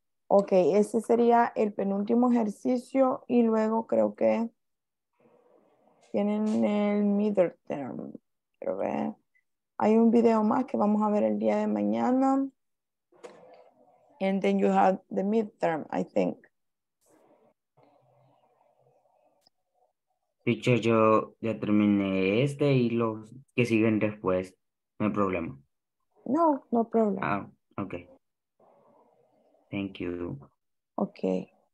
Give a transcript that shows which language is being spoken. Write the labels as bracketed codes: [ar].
[es] Okay, ese sería el penúltimo ejercicio y luego creo que tienen el midterm. Pero ve, hay un video más que vamos a ver el día de mañana. [en] And then you have the midterm, I think. [es] Teacher, yo ya terminé este y los que siguen después, no hay problema. [en] No problem. Ah, okay. Thank you. Okay.